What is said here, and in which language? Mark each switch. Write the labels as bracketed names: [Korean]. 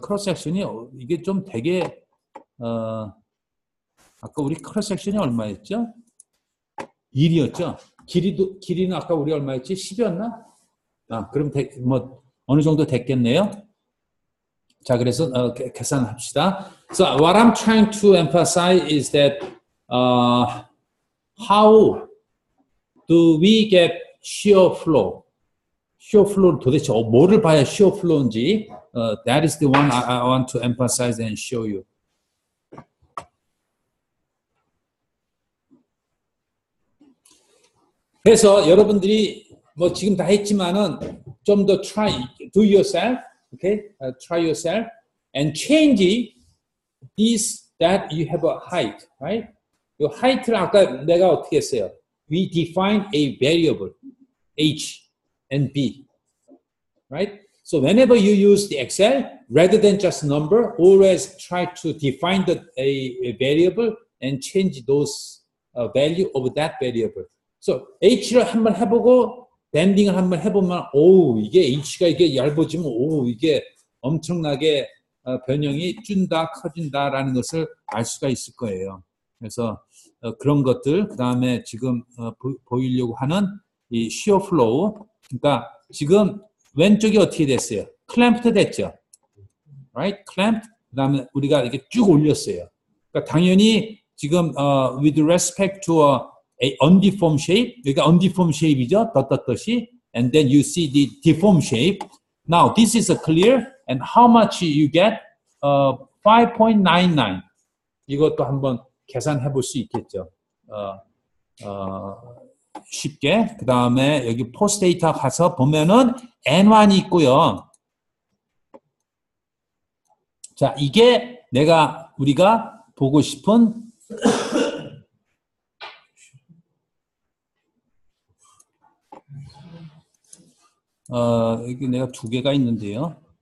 [Korean] 크로스섹션이 이게 좀 되게 아까 우리 크로스섹션이 얼마였죠? 1이었죠? 길이는 아까 우리 얼마였지? 10이었나? 아, 그럼 뭐 어느 정도 됐겠네요. 자, 그래서 계산합시다. [English] So what I'm trying to emphasize is that how do we get shear flow? Shear flow [Korean] 도대체 뭐를 봐야 [English] shear flow인지 that is the one I want to emphasize and show you. [Korean] 그래서 여러분들이 뭐 지금 다 했지만은 좀 더 [English] try do yourself. Okay, try yourself and change this that you have a height, right? Your height를 [Korean] 아까 내가 어떻게 했어요? [English] We define a variable h and b, right? So whenever you use the Excel rather than just number, always try to define a variable and change those value of that variable. [Korean] So h를 한번 해보고 밴딩을 한번 해보면, 오, 이게 H가 이게 얇아지면, 오, 이게 엄청나게 변형이 준다, 커진다라는 것을 알 수가 있을 거예요. 그래서 그런 것들, 그 다음에 지금 보이려고 하는 이 shear flow. 그러니까 지금 왼쪽이 어떻게 됐어요? clamped 됐죠? right? clamped. 그 다음에 우리가 이렇게 쭉 올렸어요. 그러니까 당연히 지금 [English] with respect to a undeformed shape, [Korean] 그러니까 undeformed shape이죠, 덧덧덧이. [English] And then you see the deformed shape. Now, this is a clear, and how much you get? 5.99. [Korean] 이것도 한번 계산해 볼 수 있겠죠. 쉽게. 그 다음에 여기 post data 가서 보면은 n1이 있고요. 자, 이게 우리가 보고 싶은 여기 내가 두 개가 있는데요.